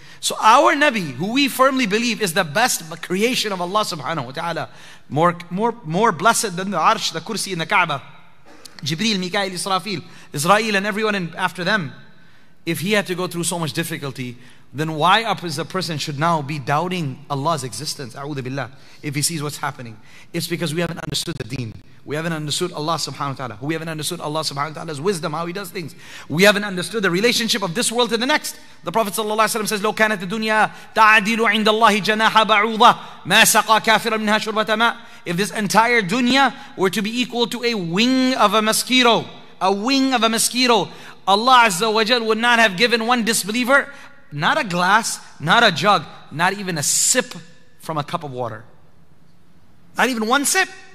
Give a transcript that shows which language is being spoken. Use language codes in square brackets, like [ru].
[en] So our Nabi, who we firmly believe is the best creation of Allah subhanahu wa ta'ala, more blessed than the Arsh, the Kursi, and the Kaaba, Jibreel, Mikael, Israfil, Israel, and everyone after them, if he had to go through so much difficulty, then why is a person should now be doubting Allah's existence, a'udhu billah, if he sees what's happening? It's because we haven't understood the deen. We haven't understood Allah subhanahu wa ta'ala. We haven't understood Allah subhanahu wa ta'ala's wisdom, how he does things. We haven't understood the relationship of this world to the next. The Prophet sallallahu alaihi wasallam says, [ar] لو كانت الدنيا تعدل عند الله جناح بعوضة ما سقى كافرا منها شربة ماء. [en] If this entire dunya were to be equal to a wing of a mosquito, a wing of a mosquito, Allah azza wa jal would not have given one disbeliever not a glass, not a jug, not even a sip from a cup of water. Not even one sip.